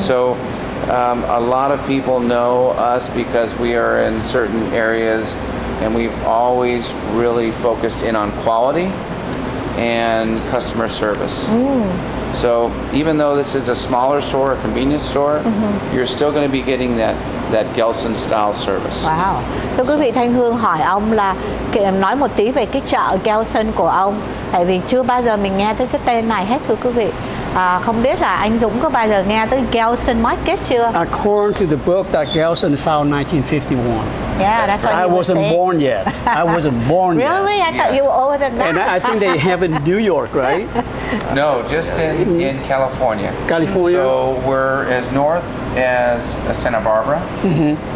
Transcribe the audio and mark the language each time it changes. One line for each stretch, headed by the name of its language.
English: So a lot of people know us because we are in certain areas, and we've always really focused in on quality and customer service. Mm. So even though this is a smaller store, a convenience store, mm-hmm. you're still going to be getting that Gelson style service. Wow.
Vietnamese: Thưa quý vị, Thanh Hương hỏi ông là nói một tí về cái chợ Gelson của ông, tại vì chưa bao giờ mình nghe tới cái tên này hết, thưa quý vị. Không biết là anh Dũng có bao giờ nghe tới Gelson Market chưa?
English: According to the book that Gelson found in 1951. Yeah, that's what I wasn't born yet. Really? I thought you were older than that. And I think they have in New York, right? No, just in California. California. So we're as north as Santa Barbara, mm-hmm.